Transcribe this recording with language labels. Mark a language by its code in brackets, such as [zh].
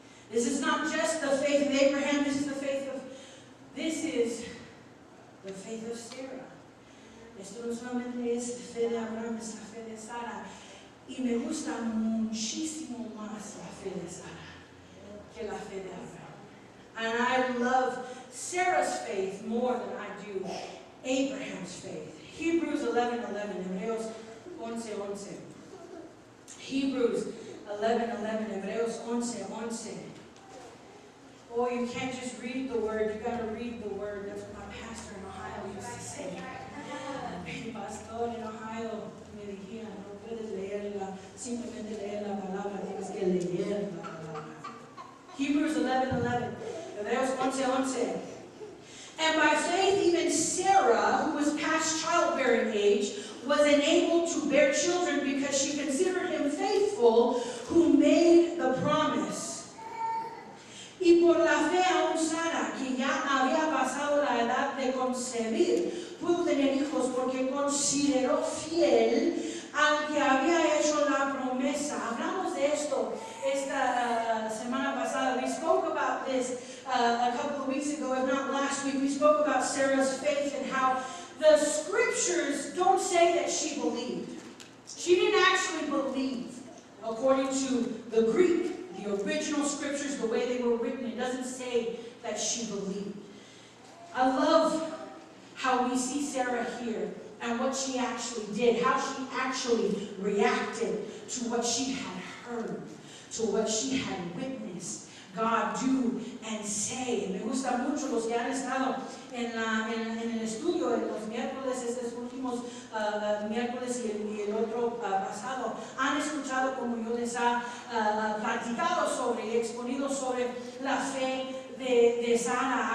[en] This is not just the faith of Abraham, this is the faith of, this is the faith of Sarah. [es] Esto no solamente es la fe de Abraham, es la fe de Sara. Y me gusta muchísimo más la fe de Sara que la fe de Abraham. [en] And I love Sarah's faith more than I do Abraham's faith. Hebrews 11:11, [es] Hebreos 11:11. [en] Hebrews 11:11, [es] Hebreos 11:11. [en] Oh, you can't just read the word, you got to read the word. That's what my pastor in Ohio used to say. [es] Mi pastor en Ohio me decía, no puedes leerla, simplemente leer la palabra, tienes que leer la palabra. [en] Hebrews 11:11, [es] Hebreos 11:11. [en] And by faith, even Sarah, who was past childbearing age, was enabled to bear children because she considered him faithful who made the promise. [es] Y por la fe aún Sara, que ya había pasado la edad de concebir, pudo tener hijos porque consideró fiel al que había hecho la promesa. Hablamos de esto esta semana pasada. [en] We spoke about this a couple of weeks ago, if not last week. We spoke about Sarah's faith and how the scriptures don't say that she believed. She didn't actually believe according to the Greek. The original scriptures, the way they were written, it doesn't say that she believed. I love how we see Sarah here and what she actually did, how she actually reacted to what she had heard, to what she had witnessed God do and say. [es] Me gusta mucho los que han estado en el estudio en los miércoles, estos últimos miércoles y el otro pasado, han escuchado como yo les ha platicado sobre y exponido sobre la fe de Sara.